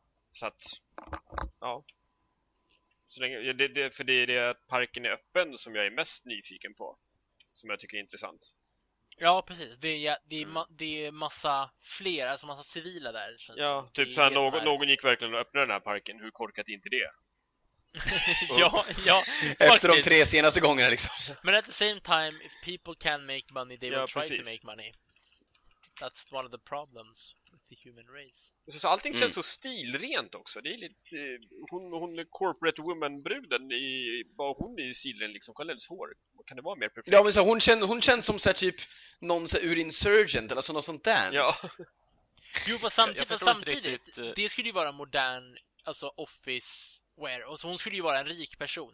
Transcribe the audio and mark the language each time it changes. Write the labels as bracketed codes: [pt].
[sv] Så att, ja... Så för det är det att parken är öppen som jag är mest nyfiken på, som jag tycker är intressant. Ja, precis. Det är massa fler, alltså massa civila där. Ja, så typ såhär, någon gick verkligen och öppnade den här parken. Hur korkat är inte det? ja, efter de tre senaste gångerna liksom. [en] Men at the same time, if people can make money, they will try to make money. That's one of the problems. Human race. [sv] Så allting känns så stilrent också. Det är lite hon är [en] corporate woman [sv] bruden i bara hon i stilren liksom Kalles hår. Kan det vara mer perfekt? Ja, men så hon känns som så här, typ någon så här, ur Insurgent eller så, något sånt där. Ja. Jo, på samtidigt det skulle ju vara modern, alltså [en] office wear, [sv] och så hon skulle ju vara en rik person.